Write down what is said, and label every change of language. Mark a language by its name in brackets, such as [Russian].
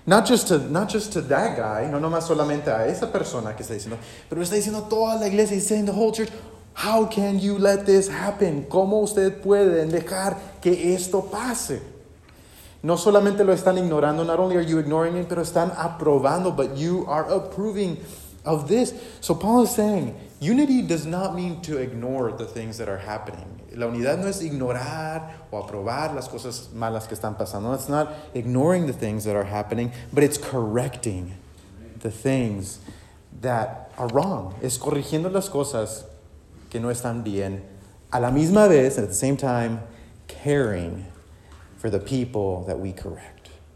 [English] Not just to that guy, [Spanish] no nomás solamente a esa persona que está diciendo, pero está diciendo toda la iglesia, [English] he's saying the whole church, how can you let this happen? [Spanish] ¿Cómo usted puede dejar que esto pase? No solamente lo están ignorando, [English] not only are you ignoring it, [Spanish] pero están aprobando, [English] but you are approving of this. So Paul is saying, unity does not mean to ignore the things that are happening. [Spanish] La unidad no es ignorar o aprobar las cosas malas que están pasando. [English] It's not ignoring the things that are happening, but it's correcting the things that are wrong. [Spanish] Es corrigiendo las cosas que no están bien. A la misma vez, [English] at the same time, caring for the people that we correct.